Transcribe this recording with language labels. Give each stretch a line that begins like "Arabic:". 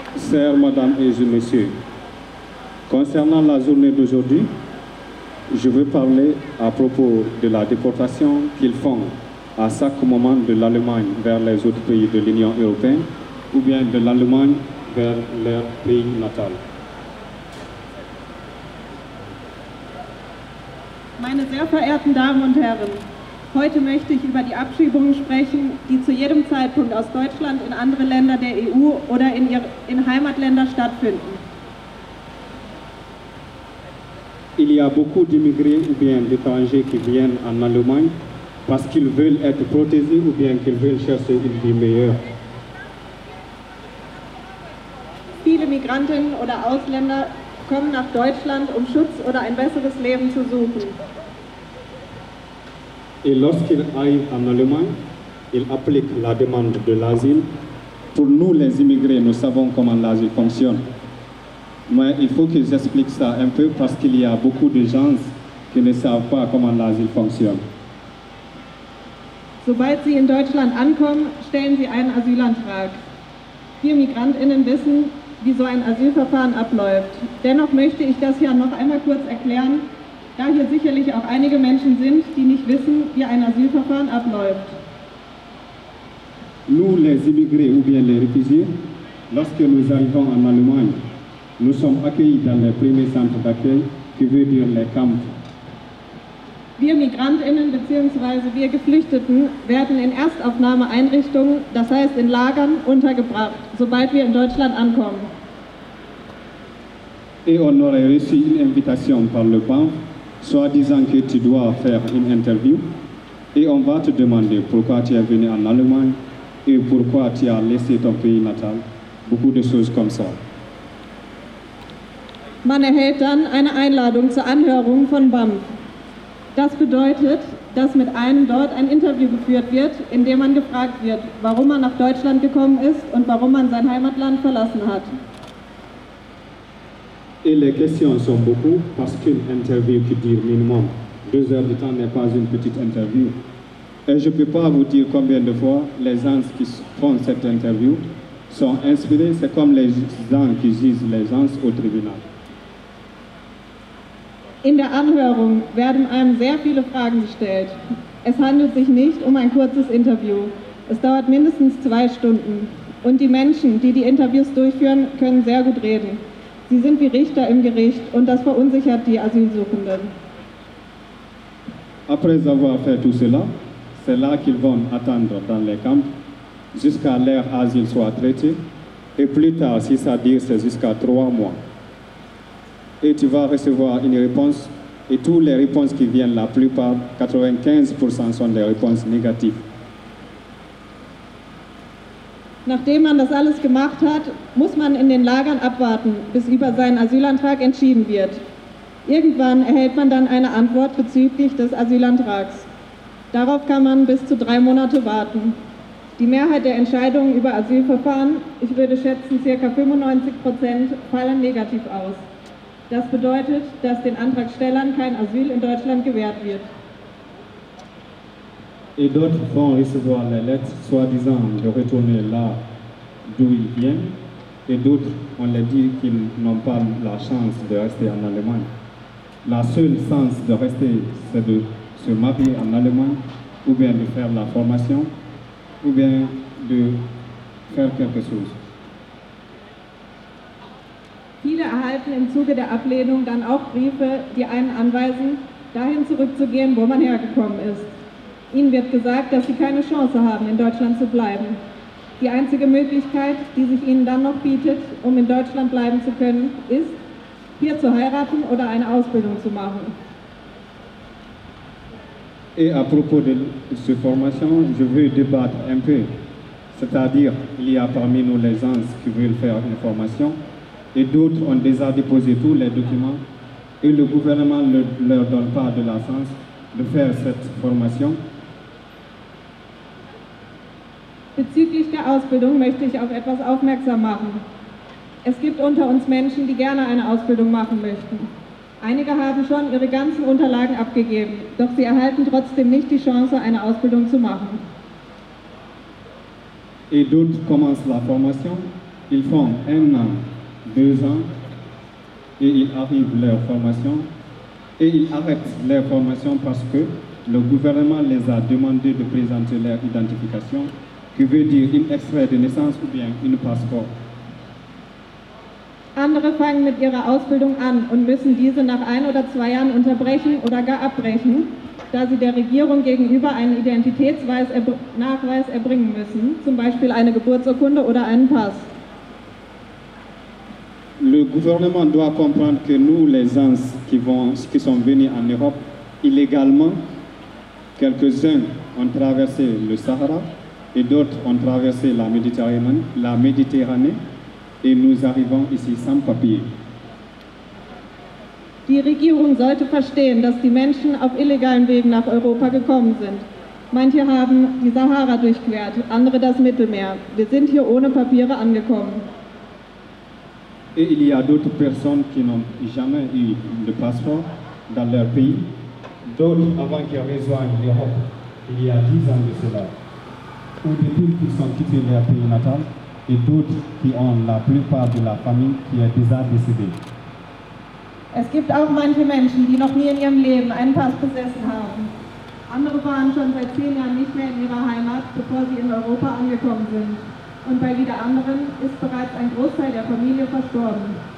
French: Chères Mesdames et Messieurs, concernant la journée d'aujourd'hui, je veux parler à propos de la déportation qu'ils font à chaque moment de l'Allemagne vers les autres pays de l'Union européenne ou bien de l'Allemagne vers leur pays natal.
German: Meine sehr verehrten Damen und Herren, heute möchte ich über die Abschiebungen sprechen, die zu jedem Zeitpunkt aus Deutschland in andere Länder der EU oder in Heimatländer stattfinden.
French: Il y a beaucoup d'immigrés ou bien d'étrangers qui viennent en Allemagne parce qu'ils veulent être protégés ou bien qu'ils veulent chercher une vie meilleure.
German: Viele Migrantinnen oder Ausländer kommen nach Deutschland, um Schutz oder ein besseres Leben zu suchen.
French: Et lorsqu'ils arrivent en Allemagne, ils appliquent la demande de l'asile. Pour nous, les immigrés, nous savons comment l'asile fonctionne. Mais il faut que j'explique ça un peu parce qu'il y a beaucoup de gens qui ne savent pas comment l'asile fonctionne.
German: Sobald sie in Deutschland ankommen, stellen sie einen Asylantrag. Wir MigrantInnen wissen, wie so ein Asylverfahren abläuft. Dennoch möchte ich das hier noch einmal kurz erklären, da hier sicherlich auch einige Menschen sind, die nicht wissen, wie ein Asylverfahren abläuft.
French: Nous, les immigrés ou bien les réfugiés, lorsque nous arrivons en Allemagne, nous sommes accueillis dans les premiers centres d'accueil, qui veut dire les camps.
German: Wir MigrantInnen bzw. wir Geflüchteten werden in Erstaufnahmeeinrichtungen, das heißt in Lagern, untergebracht, sobald wir in Deutschland ankommen.
French: Et on aurait reçu une invitation par le BAMF, soi-disant que tu dois faire une interview, et on va te demander pourquoi tu es venu en Allemagne et pourquoi tu as laissé ton pays natal, beaucoup de choses comme ça.
German: Man erhält dann eine Einladung zur Anhörung von BAMF. Das bedeutet, dass mit einem dort ein Interview geführt wird, in dem man gefragt wird, warum man nach Deutschland gekommen ist und warum man sein Heimatland verlassen hat.
French: Et les questions sont beaucoup parce qu'une interview qui dure minimum 2 heures de temps n'est pas une petite interview. Et je ne peux pas vous dire combien de fois les gens qui font cette interview sont inspirés, c'est comme les gens qui jugent les gens au tribunal.
German: In der Anhörung werden einem sehr viele Fragen gestellt. Es handelt sich nicht um ein kurzes Interview. Es dauert mindestens 2 Stunden. Und die Menschen, die die Interviews durchführen, können sehr gut reden. Sie sind wie Richter im Gericht und das verunsichert die Asylsuchenden.
French: Après avoir fait tout cela, c'est là qu'ils vont attendre dans les camps, jusqu'à leur asile soit traité, et plus tard, si ça dure, c'est jusqu'à 3 mois. Et tu vas recevoir une réponse, et toutes les réponses qui viennent, la plupart, 95% sont des réponses négatives.
German: Nachdem man das alles gemacht hat, muss man in den Lagern abwarten, bis über seinen Asylantrag entschieden wird. Irgendwann erhält man dann eine Antwort bezüglich des Asylantrags. Darauf kann man bis zu 3 Monate warten. Die Mehrheit der Entscheidungen über Asylverfahren, ich würde schätzen ca. 95%, fallen negativ aus. Das bedeutet, dass den Antragstellern kein Asyl in Deutschland gewährt wird.
French: Et d'autres vont recevoir les lettres soi-disant de retourner là d'où ils viennent. Et d'autres, on leur dit qu'ils n'ont pas la chance de rester en Allemagne. La seule chance de rester, c'est de se marier en Allemagne, ou bien de faire la formation, ou bien de faire quelque chose.
German: erhalten im Zuge der Ablehnung dann auch Briefe, die einen anweisen, dahin zurückzugehen, wo man hergekommen ist. Ihnen wird gesagt, dass Sie keine Chance haben, in Deutschland zu bleiben. Die einzige Möglichkeit, die sich Ihnen dann noch bietet, um in Deutschland bleiben zu können, ist, hier zu heiraten oder eine Ausbildung zu machen.
French: Et à propos de ce formation, je veux débattre un peu. C'est-à-dire, il y a parmi nous les uns qui veulent faire une formation et d'autres ont déjà déposé tous les documents et le gouvernement ne leur donne pas de licence de faire cette formation.
German: Bezüglich der Ausbildung möchte ich auf etwas aufmerksam machen. Es gibt unter uns Menschen, die gerne eine Ausbildung machen möchten. Einige haben schon ihre ganzen Unterlagen abgegeben, doch sie erhalten trotzdem nicht die Chance, eine Ausbildung zu machen.
French: Et d'autres commencent la formation, ils font un an, deux ans, et ils arrivent leur formation, et ils arrêtent leur formation parce que le gouvernement les a demandé de présenter leur identification, qui veut dire un extrait de naissance ou bien un passeport.
German: Andere fangen mit ihrer Ausbildung an und müssen diese nach ein oder zwei Jahren unterbrechen oder gar abbrechen, da sie der Regierung gegenüber einen Identitätsnachweis erbringen müssen, zum Beispiel eine Geburtsurkunde oder einen Pass.
French: Le gouvernement doit comprendre que nous, les uns qui sont venus en Europe illégalement, quelques-uns ont traversé le Sahara et d'autres ont traversé la Méditerranée. Et nous arrivons ici sans papier.
German: Die Regierung sollte verstehen, dass die Menschen auf illegalen Wegen nach Europa gekommen sind. Manche haben die Sahara durchquert, andere das Mittelmeer. Wir sind hier ohne Papiere angekommen.
French: Et il y a d'autres personnes qui n'ont jamais eu de passeport dans leur pays. D'autres avant qu'ils rejoignent l'Europe, il y a 10 ans de cela. Ou depuis qu'ils ont quitté leur pays natal. Et d'autres qui ont la plupart de la famille qui est déjà décédée.
German: Es gibt auch manche Menschen, die noch nie in ihrem Leben einen Pass besessen haben. Andere waren schon seit 10 Jahren nicht mehr in ihrer Heimat, bevor sie in Europa angekommen sind. Und bei wieder anderen ist bereits ein Großteil der Familie verstorben.